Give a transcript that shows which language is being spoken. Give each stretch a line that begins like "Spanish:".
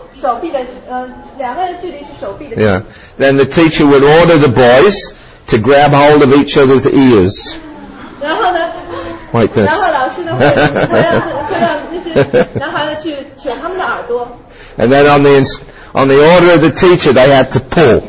Chinese: 手臂的，两个人的距离是手臂的。
English: Yeah, then the teacher would order the boys to grab hold of each other's ears.
Chinese: 然后呢
English: like this.
Chinese: 然后老师呢会让那些男孩呢去扯他们的耳朵。
English: And then on the order of the teacher, they had to pull.